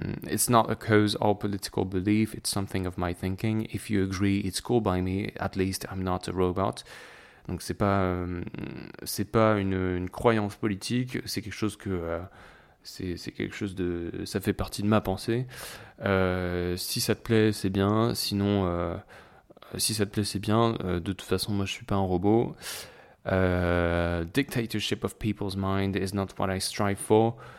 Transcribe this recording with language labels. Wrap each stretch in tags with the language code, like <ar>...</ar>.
<en>It's not a cause or political belief, it's something of my thinking. If you agree, it's cool by me, at least I'm not a robot.</en> <fr>Donc, c'est pas une croyance politique, c'est quelque chose que. C'est quelque chose de... Ça fait partie de ma pensée. Si ça te plaît, c'est bien. Sinon, si ça te plaît, c'est bien. De toute façon, moi, je suis pas un robot.</fr> <en>Dictatorship of people's mind is not what I strive for.</en>